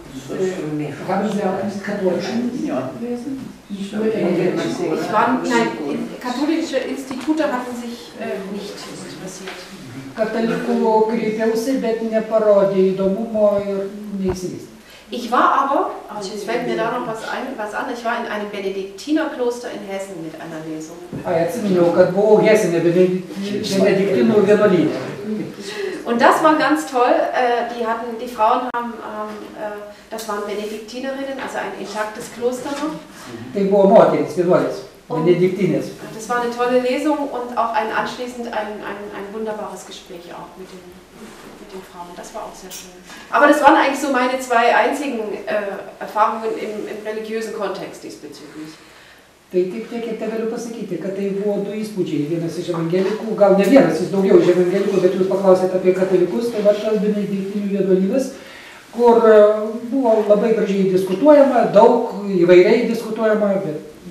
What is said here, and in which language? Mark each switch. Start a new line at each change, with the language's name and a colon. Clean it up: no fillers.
Lithuanian: Katoliškų institutų
German: hatten sich nicht interessiert.
Lithuanian: Katalikų kreipiausi, bet neparodė įdomumo ir neįsivystė.
German: Ich war aber, also jetzt fällt mir da noch was an, ich war in einem Benediktinerkloster in Hessen mit einer Lesung. Ah, jetzt sind wir noch gerade, wo Hessen, der Benediktiner Genolin. Und das war ganz toll, die Frauen haben, das waren Benediktinerinnen, also ein intaktes Kloster noch. Benediktines. Das war eine tolle Lesung und auch anschließend ein wunderbares Gespräch auch mit den Frauen. Das war auch sehr schön. Aber das waren eigentlich so meine zwei einzigen Erfahrungen im religiösen Kontext diesbezüglich.
Lithuanian: Tai tiek ir tegaliu pasakyti, kad tai buvo du įspūdžiai, vienas iš evangelikų, gal ne vienas, jis daugiau iš evangelikų, bet jūs paklausėte apie katalikus, tai va šas benediktinių vienuolynas, kur buvo labai gražiai diskutuojama, daug įvairiai diskutuojama, bet...